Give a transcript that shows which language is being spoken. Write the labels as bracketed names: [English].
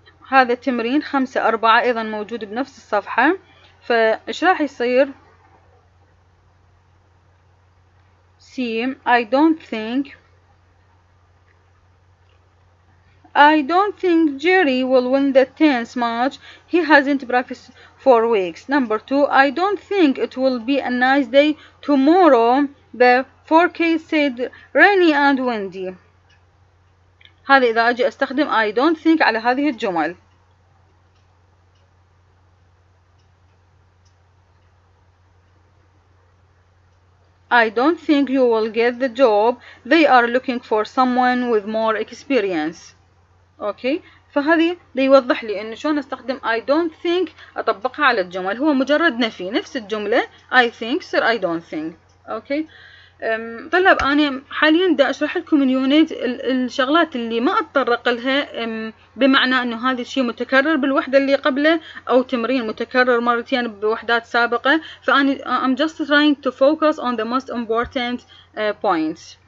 [Arabic] هذا التمرين 5-4 ايضا موجود بنفس الصفحة فايش راح يصير سي I don't think [English] I don't think Jerry will win the tennis match. He hasn't practiced for weeks. Number two, I don't think it will be a nice day tomorrow. The forecast said rainy and windy. [Arabic] هذه إذا أجي أستخدم I don't think على هذه الجمل. [English] I don't think you will get the job. They are looking for someone with more experience. Okay. [Arabic] فهذه بيوضح لي إنه شلون أستخدم I don't think أطبقها على الجمل. هو مجرد نفي. نفس الجملة I think صار I don't think. Okay. طلاب أنا حاليا دا أشرح لكم اليونيت الشغلات اللي ما أتطرق لها بمعنى أنه هذا الشيء متكرر بالوحدة اللي قبله أو تمرين متكرر مرتين بوحدات سابقة فأني [English] I'm just trying to focus on the most important points.